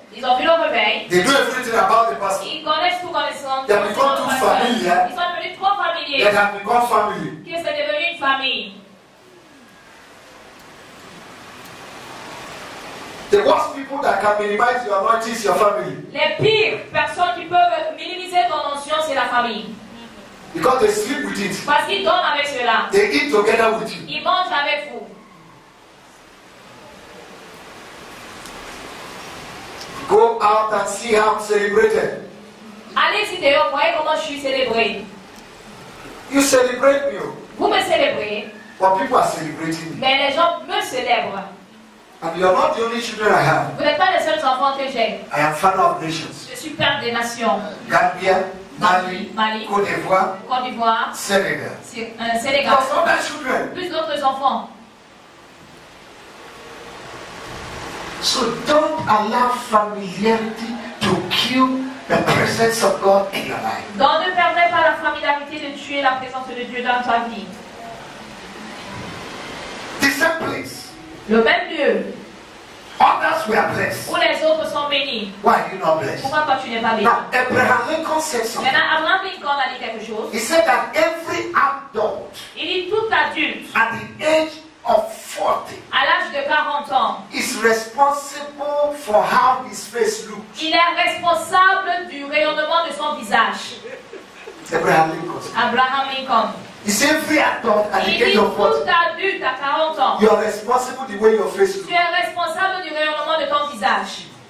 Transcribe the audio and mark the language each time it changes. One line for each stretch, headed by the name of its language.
French: Ils ont vu le réveil.
English: They do everything about the pastor.
French: Ils connaissent tout comme ils sont.
English: They have become too familiar.
French: Ils sont devenus trop familiers.
English: They have become family.
French: Qui est devenu une famille.
English: The worst people that can minimize your anointing is your family.
French: Les pires personnes qui peuvent minimiser ton anointing, c'est la famille.
English: Because they sleep with it.
French: Parce qu'ils dorment avec cela.
English: They eat together with you.
French: Ils mangent avec vous.
English: Go out and see how I'm celebrated.
French: Allez-y dehors, voyez comment je suis célébré.
English: You celebrate me.
French: Vous me célébrez.
English: But people are celebrating me.
French: Mais les gens me célèbrent.
English: And you are not the only children I have.
French: Vous n'êtes pas les seuls enfants que j'ai.
English: I am father of nations.
French: Je suis père des nations.
English: Gambia, Mali,
French: Mali,
English: Côte d'Ivoire,
French: Côte d'Ivoire,
English: Sénégal.
French: Sénégal. Plus d'autres
English: children.
French: Plus d'autres enfants.
English: So don't allow familiarity to kill the presence of God in your life.
French: Donc ne permets pas la familiarité de tuer la présence de Dieu dans ta vie.
English: The same place.
French: Le même lieu.
English: Others were blessed.
French: Où les autres sont bénis.
English: Why are you not blessed?
French: Pourquoi toi tu n'es pas béni?
English: Now Abraham Lincoln said something.
French: Maintenant Abraham Lincoln a dit quelque chose.
English: He said that every adult.
French: Il dit tout adulte.
English: At the age of 40.
French: À l'âge de 40 ans.
English: Is responsible for how his face looks.
French: Il est responsable du rayonnement de son visage.
English: Abraham Lincoln.
French: Abraham Lincoln.
English: It's every adult at the age of 40. You are responsible the way your face looks.
French: Tu es responsable du rayonnement de ton visage.